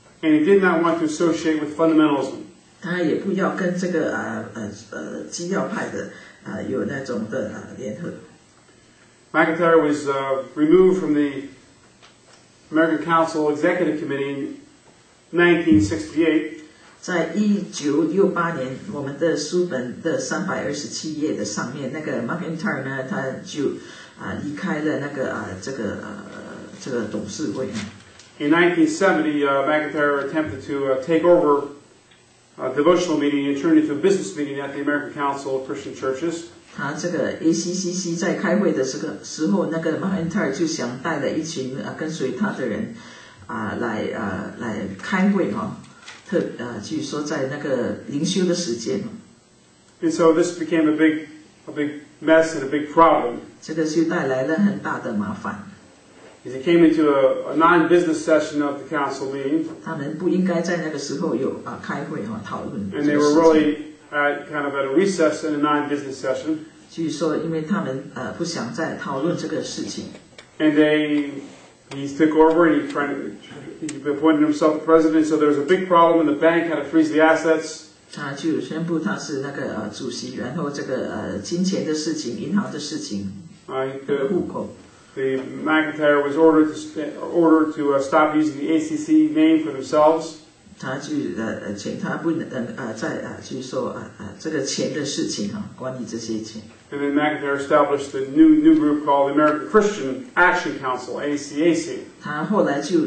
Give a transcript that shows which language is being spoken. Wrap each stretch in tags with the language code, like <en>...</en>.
<en>And he did not want to associate with fundamentalism.</en> <zh>他也不要跟这个基要派的有那种的联合。</zh> <en>McIntyre was removed from the American Council Executive Committee in 1968.</en> <zh>在1968年。我们的书本的327页的上面，那个 McIntyre 呢，他就离开了那个这个董事会。</zh> <en>In 1970, McIntyre attempted to take over a devotional meeting and turn it into a business meeting at the American Council of Christian Churches.</en> <zh>他这个 ACCC 在开会的时候，那个 McIntyre 就想带了一群跟随他的人来开会哈。</zh> <en>And so this became a big mess and a big problem.</en> <zh>这个就带来了很大的麻烦.</zh> <en>As it came into a non-business session of the council meeting.</en> <zh>他们不应该在那个时候有开会讨论.</zh> <en>And they were really at a recess in a non-business session.</en> <zh>据说因为他们不想再讨论这个事情.</zh> <en>And he took over and he appointed himself the president, so there was a big problem, and the bank had to freeze the assets.</en> <zh>他就宣布他是那个主席，然后这个金钱的事情，银行的事情。</zh> <en>The McIntyre was ordered to stop using the ACC name for themselves.</en> <zh>他就请他不能再说这个钱的事情啊，管理这些钱。</zh> <en>And then McIntyre established the new group called the American Christian Action Council, ACAC.</en>